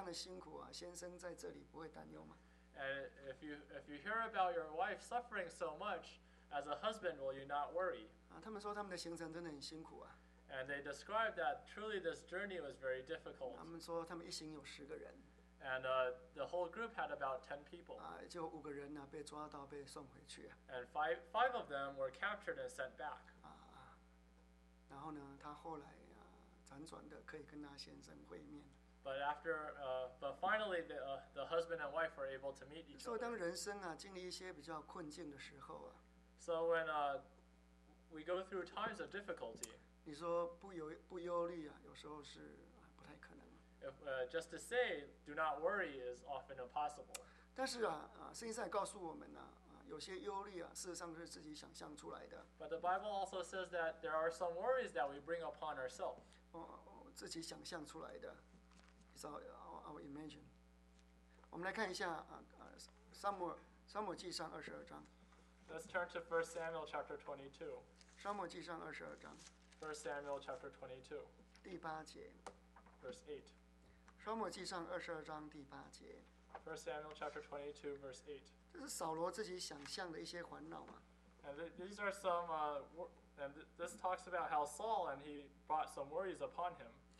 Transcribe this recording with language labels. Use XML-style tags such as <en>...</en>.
<zh>你想在这段这种辛苦的旅程当中啊，太太这样的辛苦啊，先生在这里不会担忧吗？</zh> <en>And if you hear about your wife suffering so much. As a husband, will you not worry?</en> <zh>他们说他们的行程真的很辛苦啊。</zh> <en>And they described that truly this journey was very difficult.</en> <zh>他们说他们一行有10个人。</zh> <en>And the whole group had about 10 people.</en> <zh>就5个人啊, 被抓到, 被送回去啊。</zh> <en>And five of them were captured and sent back.</en> <zh>然后呢, 他后来啊, 辗转的可以跟他先生会面。</zh> <en>But after, but finally, the husband and wife were able to meet each other.</en> <zh>说当人生啊, 经历一些比较困境的时候啊。</zh> <en>So when we go through times of difficulty,</en> <zh>你说不忧虑啊, 有时候是不太可能。</zh> <en>If, just to say, do not worry is often impossible.</en> <zh>但是啊, 圣经上告诉我们啊, 有些忧虑啊, 事实上是自己想象出来的。</zh> <en>But the Bible also says that there are some worries that we bring upon ourselves.</en> <zh>自己想象出来的,</zh> <en>it's our imagine.</en> <zh>我们来看一下, Samuel记上22章。</zh> <en>Let's turn to 1 Samuel chapter 22.</en> <zh>沙漠记上22章。</zh> <en>1 Samuel chapter 22.</en> <zh>第八节。</zh> <en>Verse 8.</en> <zh>沙漠记上22章第八节。</zh> <en>1 Samuel chapter 22, verse 8.</en> <zh>这是扫罗自己想象的一些烦恼吗？</zh> <en>And these are some, and this talks about how Saul, and he brought some worries upon him.</en>